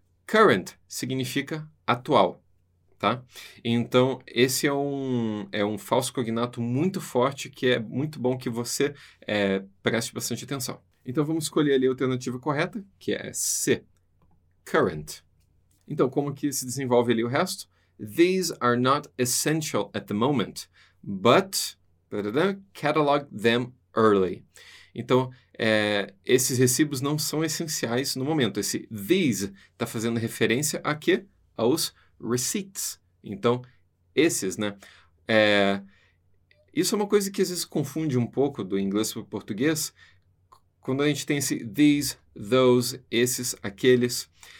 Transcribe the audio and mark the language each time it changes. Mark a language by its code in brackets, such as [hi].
[pt] Current significa atual, tá? Então, esse é um falso cognato muito forte que é muito bom que você preste bastante atenção. Então, vamos escolher ali a alternativa correta, que é C. Current. Então, como que se desenvolve ali o resto? [en] These are not essential at the moment, but catalog them early. [pt] Então, esses recibos não são essenciais no momento. Esse these está fazendo referência a quê? Aos receipts. Então, esses, né? Isso é uma coisa que às vezes confunde um pouco do inglês para o português, quando a gente tem esse these, those, esses, aqueles.